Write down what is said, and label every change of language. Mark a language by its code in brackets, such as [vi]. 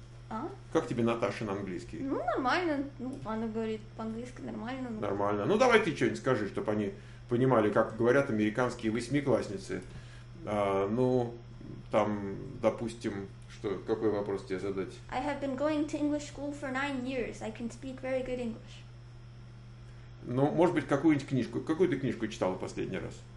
[ru] А? Как тебе Наташин английский? Ну, нормально. Ну, она говорит по-английски нормально. Нормально. Ну, давай ты что-нибудь скажи, чтобы они понимали, как говорят американские восьмиклассницы. Ну, там, допустим, что, какой вопрос тебе задать? [en] I have been going to English school for 9 years. I can speak very good English. [ru] Ну, может быть, какую ты книжку читала последний раз?